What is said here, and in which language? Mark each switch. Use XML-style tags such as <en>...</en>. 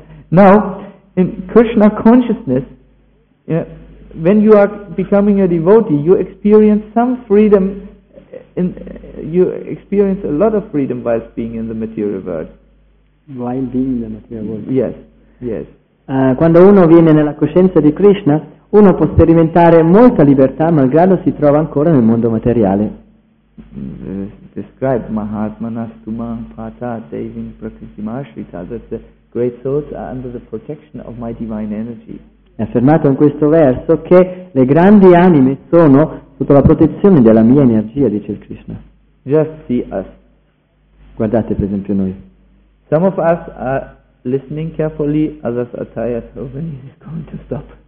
<en>Now, in Krishna consciousness, when you are becoming a devotee, you experience some freedom. You experience a lot of freedom whilst being in the material world. While being in the material world. Yes. Yes.</en> <it>Quando uno viene nella coscienza di Krishna, uno può sperimentare molta libertà malgrado si trova ancora nel mondo materiale.</it> <en>Describe</en> <sa>Mahatmanas Tumam Pata Devin Prakritimashrita,</sa> <en>that the great souls are under the protection of my divine energy.</en> <it>È affermato in questo verso che le grandi anime sono sotto la protezione della mia energia, dice il Krishna.</it> <en>Just see us.</en> <it>Guardate per esempio noi.</it> <en>Some of us are listening carefully, others are tired. Oh, when is it going to stop?</en>